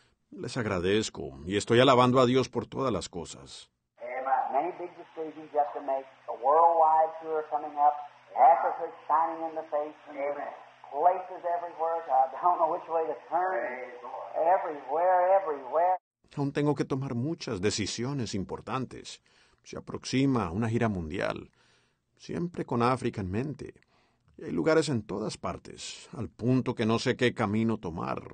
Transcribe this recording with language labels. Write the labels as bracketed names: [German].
[Spanish] Les agradezco y estoy alabando a Dios por todas las cosas. [English] Many big decisions you have to make. The worldwide tour coming up. Africa shining in the face. Places everywhere. I don't know which way to turn. Everywhere. [Spanish] Aún tengo que tomar muchas decisiones importantes. Se aproxima una gira mundial. Siempre con África en mente. Y hay lugares en todas partes, al punto que no sé qué camino tomar.